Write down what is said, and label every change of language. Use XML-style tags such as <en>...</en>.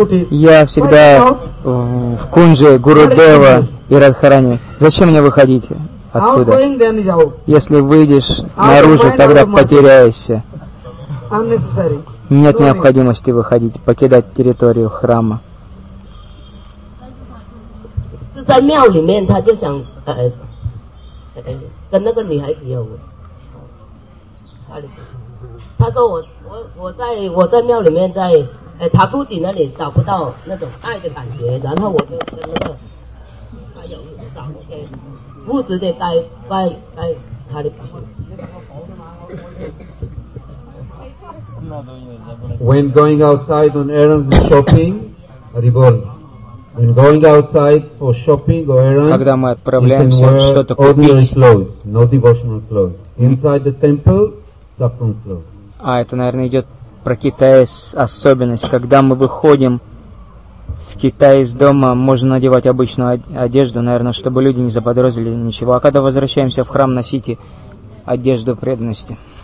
<ru>Я всегда в кунже Гурудева и Радхарани. Зачем мне выходить оттуда? Если выйдешь наружу, тогда потеряешься. Нет необходимости выходить, покидать территорию храма.</ru> <en>When going outside on errands and shopping, revolve.</en> <ru>Когда мы отправляемся что-то купить, а это, наверное, идет про Китай особенность, когда мы выходим в Китай из дома, можно надевать обычную одежду, наверное, чтобы люди не заподозрили ничего. А когда возвращаемся в храм, носите одежду преданности.</ru>